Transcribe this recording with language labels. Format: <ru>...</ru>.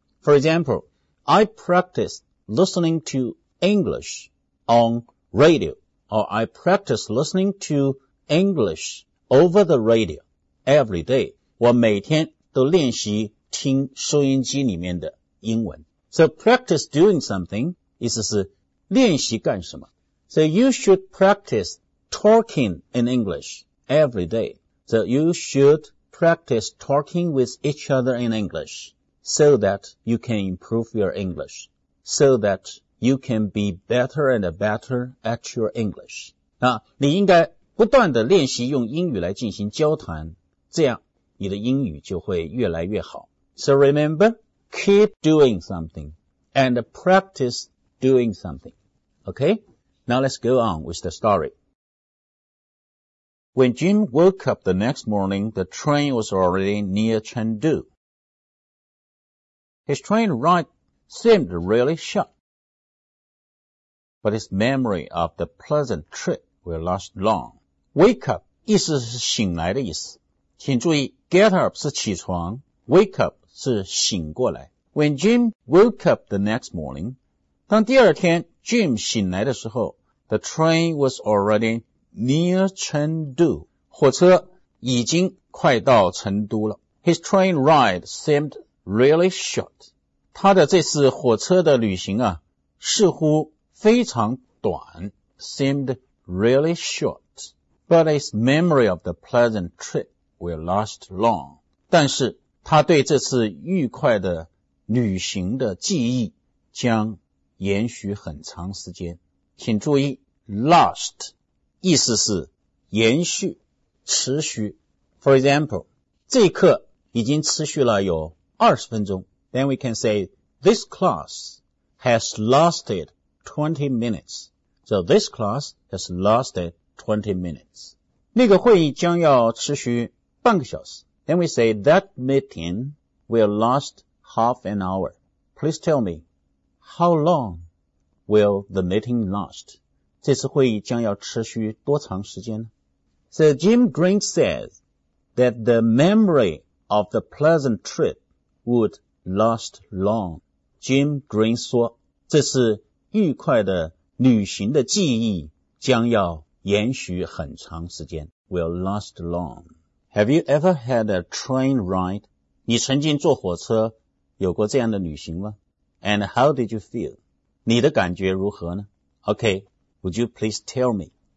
<en>For example, I practice listening to English on radio, or I practice listening to English over the radio every day.</en> <zh>我每天都练习听收音机里面的英文。</zh> <en>So practice doing something,</en> <zh>意思是练习干什么。</zh> <en>So you should practice talking in English every day. So you should practice talking with each other in English so that you can improve your English, so that you can be better and better at your English.</en> <zh>那你应该不断地练习用英语来进行交谈，这样你的英语就会越来越好。</zh> <en>So remember,Keep doing something and practice doing something. Okay? Now let's go on with the story. When Jim woke up the next morning, the train was already near Chengdu. His train ride seemed really short. But his memory of the pleasant trip will last long.</en> <zh>Wake up 意思是醒来的意思。请注意 ,get up 是起床 ,wake up 是醒过来。</zh> <en>When Jim woke up the next morning,</en> <zh>当第二天 Jim 醒来的时候</zh> <en>,the train was already near Chengdu.</en> <zh>火车已经快到成都了。</zh> <en>His train ride seemed really short.</en> <zh>他的这次火车的旅行啊似乎非常短 ,</zh> <en>seemed really short. But his memory of the pleasant trip will last long.</en> <zh>但是他对这次愉快的旅行的记忆将延续很长时间。请注意 ,last, 意思是延续持续。</zh> <en>For example,</en> <zh>这一课已经持续了有20分钟。</zh> <en>Then we can say, this class has lasted 20 minutes. So this class has lasted 20 minutes.</en> <zh>那个会议将要持续半个小时。</zh> <en>Then we say, that meeting will last half an hour. Please tell me, how long will the meeting last?</en> <zh>这次会议将要持续多长时间呢？</zh> <en>So Jim Green says that the memory of the pleasant trip would last long.</en> <zh>Jim Green 说这次愉快的旅行的记忆将要延续很长时间</zh> <en>will last long. Have you ever had a train ride?</en> <zh>你曾经坐火车有过这样的旅行吗？</zh> <en>And how did you feel?</en> <zh>你的感觉如何呢？</zh> <en>OK, would you please tell me?</en>